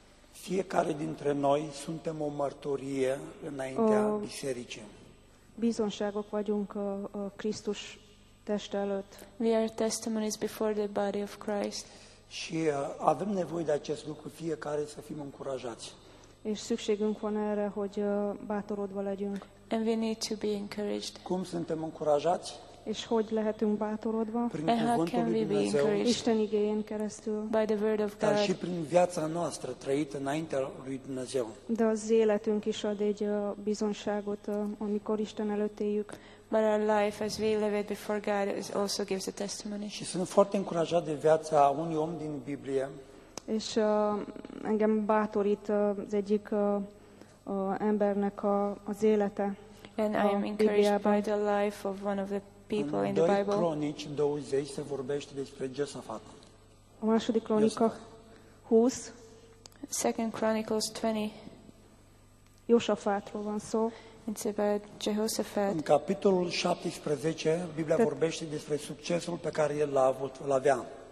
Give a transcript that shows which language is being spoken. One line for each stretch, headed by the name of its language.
Romanian: Fiecare dintre noi suntem o mărturie înaintea bisericii.
Hungarian: Bizonságok vagyunk Krisztus teste előtt.
English: We are testimonies before the body of Christ.
Romanian: Și avem nevoie de acest lucru fiecare să fim încurajați.
Hungarian: És szükségünk van erre, hogy bátorodva legyünk.
English: And we need to be encouraged.
Romanian: Cum suntem încurajați?
Hungarian: És hogy lehetünk bátorodva?
Romanian: Prin cuvântul lui Dumnezeu,
Hungarian: Isten igéjén keresztül.
English: By the word of God.
Romanian: Dar și prin viața noastră trăită înaintea lui Dumnezeu.
Hungarian: De az életünk is ad egy bizonságot, amikor Isten előtt éljük.
English: But our life as we live it before God also gives a testimony.
Romanian: Și sunt foarte încurajat de viața unui om din Biblie.
Hungarian: És engem bátorít az egyik embernek az élete.
English: And I am encouraged by the life of one of the people in the Bible.
Romanian: 2 Cronici 20 se vorbește despre Josafat.
Hungarian: Második Cronica 20.
English: 2 Chronicles 20.
Hungarian: Josafatról van szó.
English: It's about Jehoshaphat.
Romanian: În capitolul 17, Biblia vorbește despre succesul pe care el l-a avut, l-a avea.